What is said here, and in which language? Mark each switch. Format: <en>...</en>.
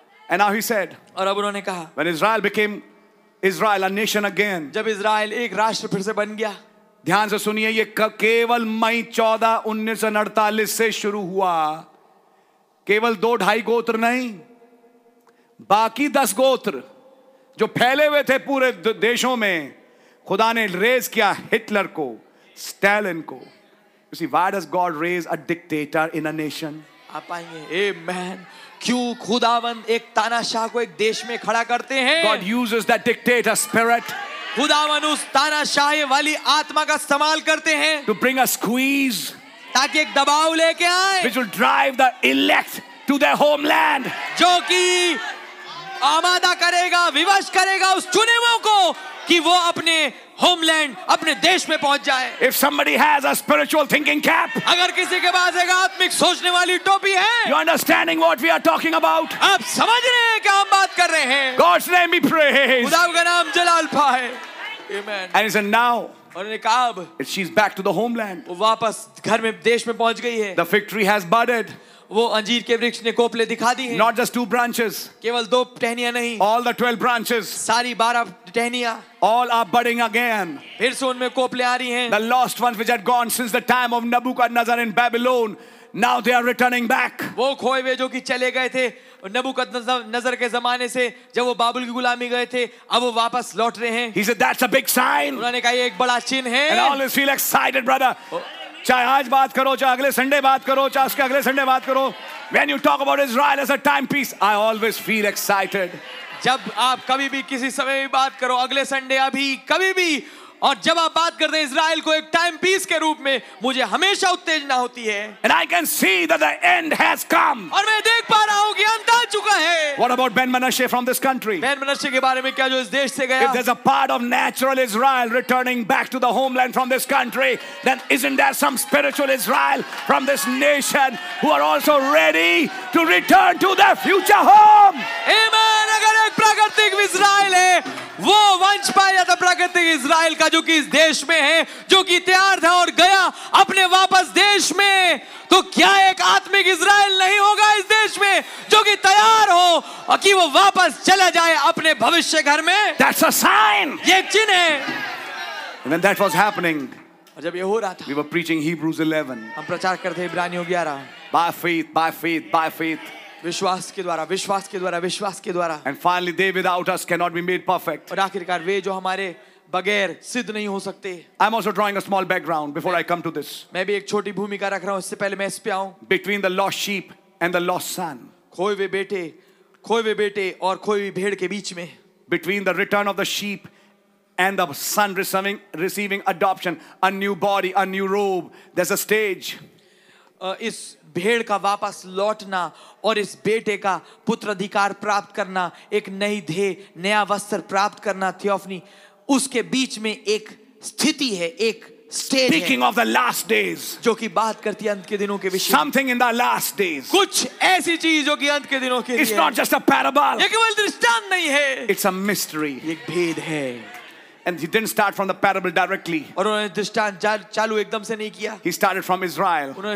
<en>And now he said, when Israel became Israel, a nation again,</en> <hi>जब Israel एक राष्ट्र फिर से बन गया, ध्यान से सुनिए, ये केवल मई 14, 1948 से शुरू हुआ, केवल दो ढाई गोत्र नहीं, बाकी दस गोत्र जो फैले हुए थे पूरे देशों में, खुदा ने रेज किया हिटलर को, स्टालिन को.</hi> <en>You see, why does God raise a dictator in a nation?</en> <hi>आप आइए, Amen. क्यों खुदावंद एक तानाशाह को एक देश में खड़ा करते हैं?</hi> <en>God uses that dictator spirit.</en> <hi>खुदावंद उस तानाशाह वाली आत्मा का इस्तेमाल करते हैं.</hi> <en>To bring a squeeze.</en> <hi>ताकि एक दबाव लेके आए.</hi> <en>Which will drive the elect to their homeland.</en> <hi>जो कि आमादा करेगा, विवश करेगा उस चुने हुओं को कि वो अपने होमलैंड, अपने देश में पहुंच जाए.</hi> <en>If somebody has a spiritual thinking cap,</en> <hi>अगर किसी के पास एक आत्मिक सोचने वाली टोपी है,</hi> <en>you understanding what we are talking about?</en> <hi>आप समझ रहे हैं क्या हम बात कर रहे हैं?</hi> <en>God's name be praised.</en> <hi>खुदा का नाम जलाल पाए. Amen.</hi> <en>And he said, now.</en> <hi>और ने कहा अब.</hi> <en>She's back to the homeland.</en> <hi>वो वापस घर में, देश में पहुंच गई है.</hi> <en>The fig tree has budded.</en> <hi>वो अंजीर के वृक्ष ने कोपले दिखा दी हैं.</hi> <en>Not just two branches.</en> <hi>केवल दो टहनियां नहीं.</hi> <en>All the 12 branches.</en> <hi>सारी 12 टहनियां.</hi> <en>All are budding again.</en> <hi>फिर से उनमें कोपले आ रही हैं.</hi> <en>The lost ones which had gone since the time of Nebuchadnezzar in Babylon, now they are returning back.</en> <hi>वो खोए हुए जो कि चले गए थे नबूकदनज़र के जमाने से, जब वो बाबुल की गुलामी गए थे, अब वो वापस लौट रहे हैं.</hi> <en>He said, that's a big sign.</en> <hi>उन्होंने कहा ये एक बड़ा चिन्ह है.</hi> <en>And always feel excited, brother.</en> <hi>चाहे आज बात करो, चाहे अगले संडे बात करो, चाहे उसके अगले संडे बात करो.</hi> <en>When you talk about Israel as a timepiece, I always feel excited.</en> <hi>जब आप कभी भी किसी समय भी बात करो, अगले संडे, अभी, कभी भी, और जब आप बात करते हैं इज़राइल को एक टाइमपीस के रूप में, मुझे हमेशा उत्तेजना होती है.</hi> <en>And I can see that the end has come.</en> <hi>और मैं देख पा रहा हूँ कि अंत आ चुका है.</hi> <en>What about Ben Manasseh from this country?</en> <hi>Ben Manasseh के बारे में क्या, जो इस देश से गया?</hi> <en>If there's a part of natural Israel returning back to the homeland from this country, then isn't there some spiritual Israel from this nation who are also ready to return to their future home? Amen.</en> <hi>अगर एक प्राकृतिक Israel है, वो वंश पाया जाता प्राकृतिक Israel का, जो कि इस देश में है, जो कि तैयार था और गया अपने वापस देश में, तो क्या एक आत्मिक इज़राइल नहीं होगा इस देश में, जो कि तैयार हो और कि वो वापस चला जाए अपने भविष्य घर में?</hi> <en>That's a sign.</en> <hi>ये चिन्ह है.</hi> <en>And when that was happening,</en> <hi>और जब ये हो रहा था,</hi> <en>we were preaching Hebrews 11.</en> <hi>हम प्रचार करते हैं इब्रानियों 11.</hi> <en>By faith.</en> <hi>विश्वास के द्वारा.</hi> <en>And finally, they without us cannot be made perfect.</en> <hi>और आखिरकार वे जो हमारे बगैर सिद्ध नहीं हो सकते.</hi> <en>I'm also drawing a small background before I come to this.</en> <hi>मैं भी एक छोटी भूमिका रख रहा हूँ इससे पहले मैं इस पे आऊँ.</hi> <en>Between the lost sheep and the lost son.</en> <hi>खोए हुए बेटे और खोई हुई भेड़ के बीच में.</hi> <en>Between the return of the sheep and the son receiving adoption, a new body, a new robe. There's a stage.</en> <hi>इस भेड़ का वापस लौटना और इस बेटे का पुत्र अधिकार प्राप्त करना, एक नई ध्येय, नया वस्त्र प्राप्त करना, थियोफनी, उसके बीच में एक स्थिति है, एक stage.</hi> <en>Speaking of the last days,</en> <hi>जो कि बात करती है अंत के दिनों के विषय.</hi> <en>Something in the last days,</en> <hi>कुछ ऐसी चीज जो कि अंत के दिनों के.</hi> <en>It's not just a parable,</en> <hi>ये केवल दृष्टांत नहीं है.</hi> <en>It's a mystery,</en> <hi>एक भेद है.</hi> <en>And he didn't start from the parable directly. He started from Israel.</en>